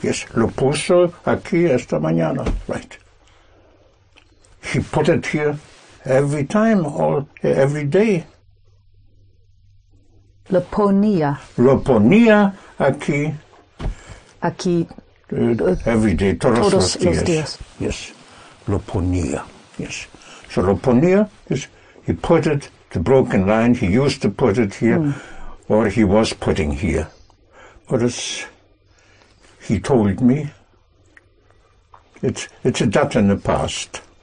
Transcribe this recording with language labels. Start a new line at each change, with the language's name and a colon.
Spanish: Yes, lo puso aquí esta mañana.
English: Right. He put it here every time, or every day.
Spanish: Lo ponía? Lo ponía aquí. Aquí.
English: Every day,
Spanish: todos los días. Yes. Lo ponía. Yes.
English: So lo ponía is he put it, the broken line, he used to put it here, or he was putting here. What is, he told me, it's a dat in the past.